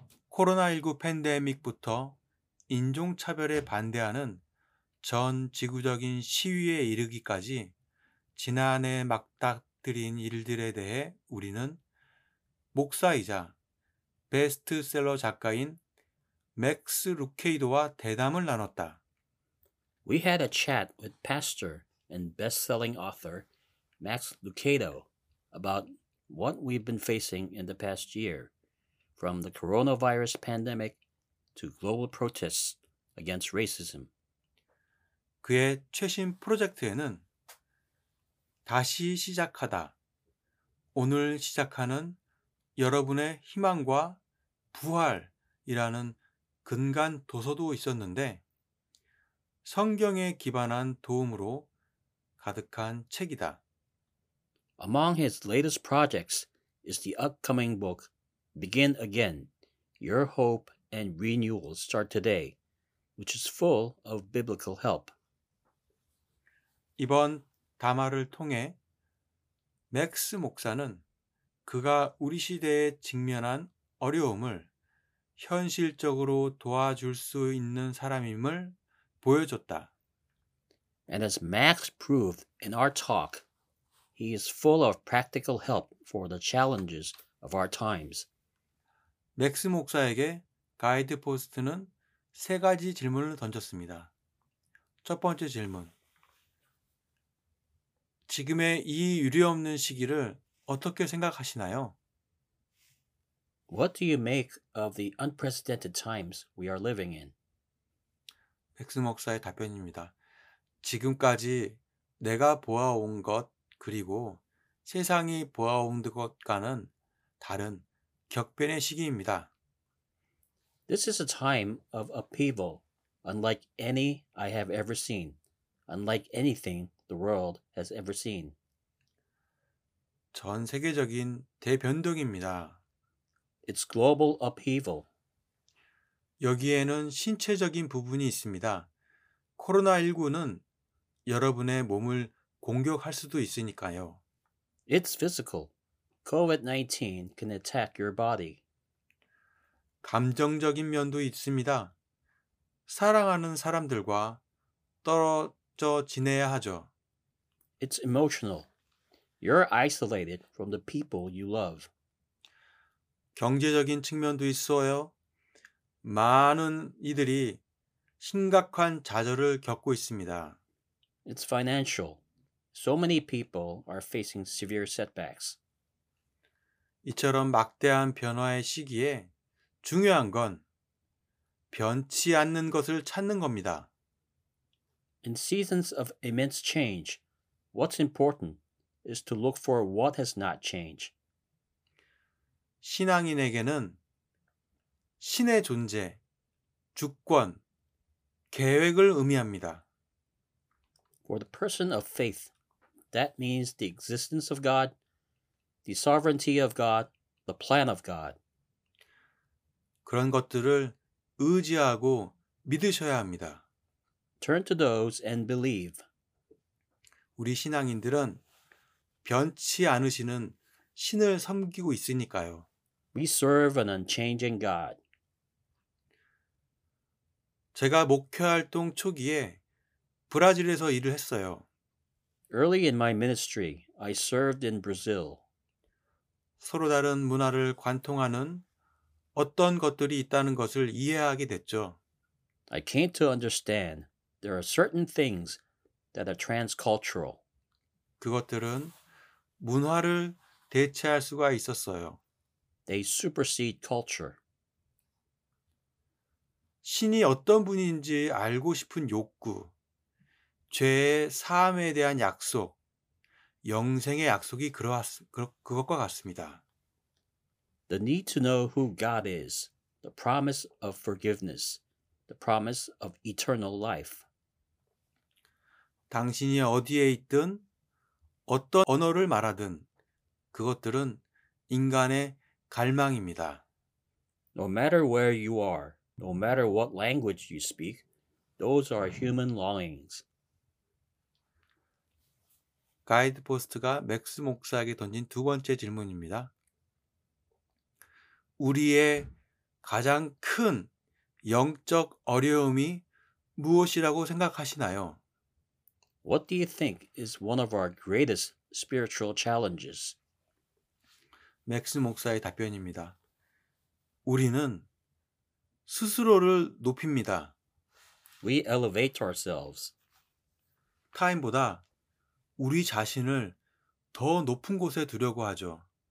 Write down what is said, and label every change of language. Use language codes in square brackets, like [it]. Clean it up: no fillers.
[ko] 코로나19 팬데믹부터 인종차별에 반대하는 전 지구적인 시위에 이르기까지 지난해 맞닥뜨린 일들에 대해 우리는 목사이자 베스트셀러 작가인 맥스 루케이도와 대담을 나눴다. [en] We had a chat with pastor and best-selling author Max Lucado about what we've been facing in the past year, from the coronavirus pandemic to global protests against racism. [ko] 그의 최신 프로젝트에는 다시 시작하다, 오늘 시작하는 여러분의 희망과 부활이라는 근간 도서도 있었는데 성경에 기반한 도움으로 가득한 책이다. [en] Among his latest projects is the upcoming book Begin Again, Your Hope and Renewal Start Today, which is full of biblical help. [ko] 이번 담화를 통해 맥스 목사는 그가 우리 시대에 직면한 어려움을 현실적으로 도와줄 수 있는 사람임을 보여줬다. [en] And as Max proved in our talk, he is full of practical help for the challenges of our times. [ko] 맥스 목사에게 가이드포스트는 세 가지 질문을 던졌습니다. 첫 번째 질문. 지금의 이 유례없는 시기를 어떻게 생각하시나요? [en] What do you make of the unprecedented times we are living in? [ko] 맥스 목사의 답변입니다. 지금까지 내가 보아온 것 그리고 세상이 보아온 것과는 다른 격변의 시기입니다. [en] This is a time of upheaval, unlike any I have ever seen, unlike anything the world has ever seen. [ko] 전 세계적인 대변동입니다. [en] It's global upheaval. [ko] 여기에는 신체적인 부분이 있습니다. 코로나19는 여러분의 몸을 공격할 수도 있으니까요. [en] It's physical. COVID-19 can attack your body. [ko] 감정적인 면도 있습니다. 사랑하는 사람들과 떨어져 지내야 하죠. [en] It's emotional. You're isolated from the people you love. [ko] 경제적인 측면도 있어요. 많은 이들이 심각한 좌절을 겪고 있습니다. [en] It's financial. So many people are facing severe setbacks. [ko] 이처럼 막대한 변화의 시기에 중요한 건 변치 않는 것을 찾는 겁니다. [en] In seasons of immense change, what's important is to look for what has not changed. [ko] 신앙인에게는 신의 존재, 주권, 계획을 의미합니다. [en] For the person of faith, that means the existence of God, the sovereignty of God, the plan of God. [ko] 그런 것들을 의지하고 믿으셔야 합니다. [en] Turn to those and believe. [ko] 우리 신앙인들은 변치 않으시는 신을 섬기고 있으니까요. [en] We serve an unchanging God. [ko] 제가 목회 활동 초기에 브라질에서 일을 했어요. [en] Early in my ministry, I served in Brazil. [ko] 서로 다른 문화를 관통하는 어떤 것들이 있다는 것을 이해하게 됐죠. [en] I came to understand there are certain things that are transcultural. [ko] 그것들은 문화를 대체할 수가 있었어요. [en] They supersede culture. [ko] 신이 어떤 분인지 알고 싶은 욕구, 죄의 사함에 대한 약속, 영생의 약속이 그것과 같습니다. [en] The need to know who God is, the promise of forgiveness, the promise of eternal life. [ko] 당신이 어디에 있든 어떤 언어를 말하든 그것들은 인간의 갈망입니다. [en] No matter where you are, no matter what language you speak, Those are human longings. [ko] 가이드포스트가 맥스 목사에게 던진 두 번째 질문입니다. 우리의 가장 큰 영적 어려움이 무엇이라고 생각하시나요? [en] What do you think is one of our greatest spiritual challenges? [ko] 맥스 목사의 답변입니다. 우리는 스스로를 높입니다. [en] We elevate ourselves. [ko] 타인보다 우리 자신을 더 높은 곳에 두려고 하죠.